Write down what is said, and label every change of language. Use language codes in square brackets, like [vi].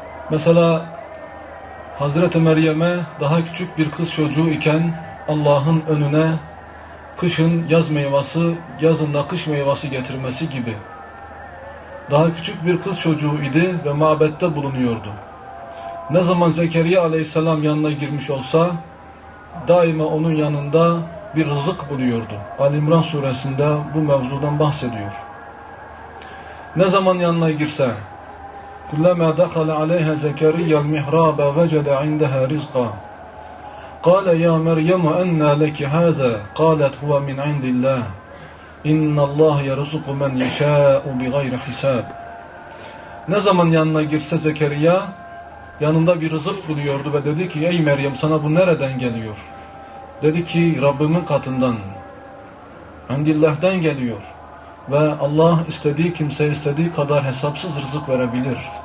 [tr] Mesela Hazreti Meryem'e daha küçük bir kız çocuğu iken Allah'ın önüne kışın yaz meyvesi, yazında kış meyvesi getirmesi gibi. Daha küçük bir kız çocuğu idi ve mabette bulunuyordu. Ne zaman Zekeriya aleyhisselam yanına girmiş olsa daima onun yanında bir rızık buluyordu. Ali İmran suresinde bu mevzudan bahsediyor. Ne zaman yanına girse [ar] كُلَّمَا دَخَلَ عَلَيْهَا زَكَرِيَّ الْمِحْرَابَ وَجَدَ عِنْدَهَا رِزْقًا قَالَ يَا مَرْيَمُ أَنَّا لَكِ هَذَا قَالَتْ هُوَ مِنْ عِنْدِ اللَّهِ اِنَّ اللّٰهَ يَرُزُقُ مَنْ يَشَاءُ بِغَيْرِ حِسَابٍ. [tr] Ne zaman yanına girse Zekeriya yanında bir rızık buluyordu ve dedi ki, ey Meryem, sana bu nereden geliyor? Dedi ki, Rabbimin katından, indillah'tan geliyor. Ve Allah istediği kimseye istediği kadar hesapsız rızık verebilir.